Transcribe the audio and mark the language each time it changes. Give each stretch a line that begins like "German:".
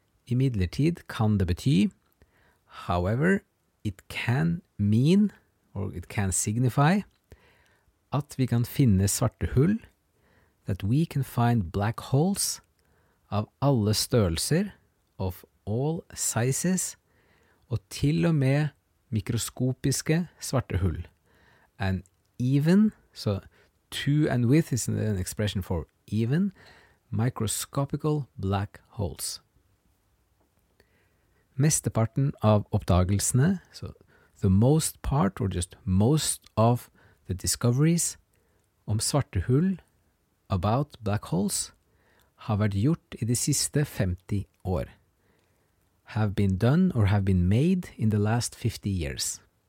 Norwegian: I midlertid kan det bety,
English: however, it can mean, or it can signify,
Norwegian: at vi kan finne svarte hull,
English: that we can find black holes
Norwegian: av alle størrelser,
English: of all sizes,
Norwegian: og til og med mikroskopiske svarte hull.
English: And even, so to and with is an expression for even, microscopical black holes.
Norwegian: Mesteparten av oppdagelsene,
English: so the most part or just most of the discoveries
Norwegian: om svarte hull,
English: about black holes,
Norwegian: har vært gjort I de siste 50 år.
English: Have been done or have been made in the last 50 years.